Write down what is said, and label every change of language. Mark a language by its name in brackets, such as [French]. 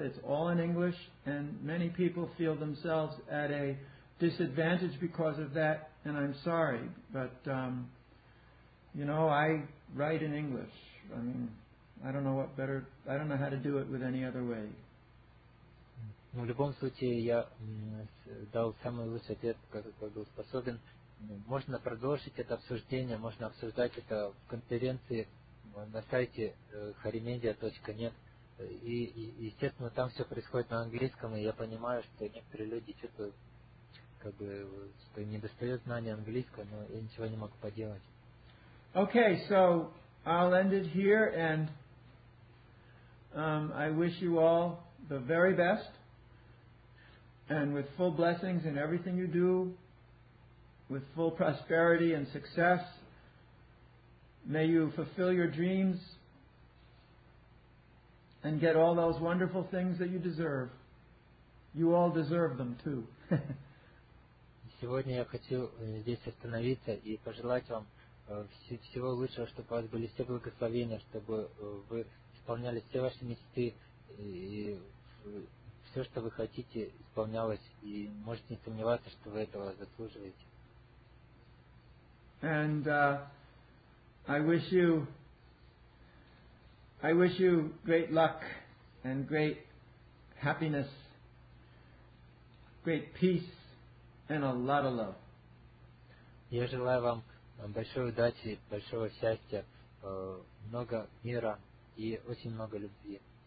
[English] It's all in English, and many people feel themselves at a disadvantage because of that, and I'm sorry, but you know, I write in English. I mean, I don't know what better. I don't know how to do it with any other way. [Russian] Ну, в любом случае, я дал самый лучший ответ, который был способен. Можно продолжить это обсуждение, можно обсуждать это в конференции на сайте harimedia.net. И естественно, там все происходит на английском, и я понимаю, что некоторые люди чувствуют, как бы, что им недостает знания английского, но я ничего не могу поделать. [English] Okay, so I'll end it here, and I wish you all the very best, and with full blessings in everything you do, with full prosperity and success. May you fulfill your dreams and get all those wonderful things that you deserve. You all deserve them too. [Russian] Сегодня я хочу здесь остановиться и пожелать вам всего лучшего, чтобы у вас были все благословения, чтобы вы исполняли все ваши мечты, и все, что вы хотите, исполнялось, и можете не сомневаться, что вы этого заслуживаете. [English] And I wish you great luck and great happiness, great peace, and a lot of love. [Russian] Я желаю вам большой удачи, большого счастья, много мира и очень много любви.